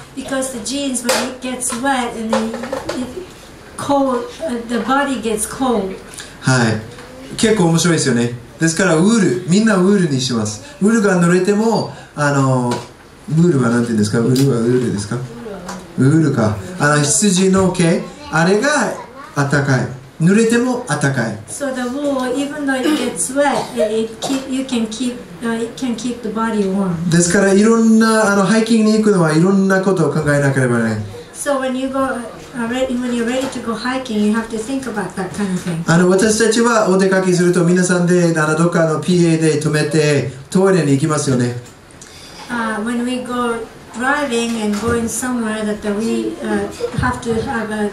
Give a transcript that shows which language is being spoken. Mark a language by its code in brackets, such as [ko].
[en] Because the jeans, when it gets wet and then it cold, the body gets cold. [ja] はい、結構面白いですよね。ですからウール、みんなウールにします。ウールが濡れても、あのウールはなんて言うんですか？ウールはウールですか？ウールか。あの羊の毛、あれが暖かい。濡れても暖かい。 [en] So the wool, even though it gets wet, it can keep the body warm. [ja] ですからいろんなあのハイキングに行くのはいろんなことを考えなければならない。 [en] So when you're ready to go hiking, you have to think about that kind of thing. [ja] あの私たちはお出かけすると皆さんでどっかの PA で止めてトイレに行きますよね。 [en] When we go driving and going somewhere that we have to have